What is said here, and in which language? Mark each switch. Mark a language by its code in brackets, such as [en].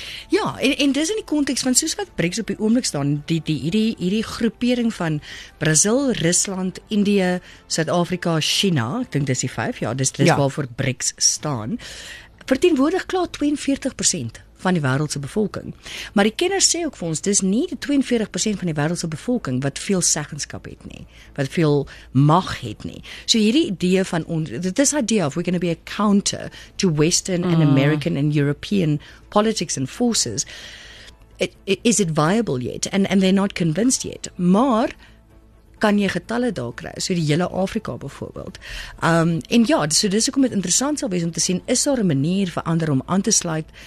[af] Ja, en dis in die konteks van soos wat BRICS op die oomblik staan, hierdie groepering van Brazil, Rusland, Indië, Suid-Afrika, China, ek dink dis die 5, ja, dis waarvoor BRICS staan, verteenwoordig klaar 42% van die wêreldse bevolking. Maar die kenners sê ook vir ons, dis nie die 42% van die wêreldse bevolking wat veel seggenskap het nie, wat veel mag het nie. So hierdie idee van ons, [en] this idea of we're going to be a counter to Western and American and European politics and forces, is it viable yet? And they're not convinced yet. [af] Maar kan jy getalle daar kry, so die hele Afrika byvoorbeeld. En ja, so dis ook om dit interessant sal wees om te sien, is daar 'n manier vir ander om aan te sluit?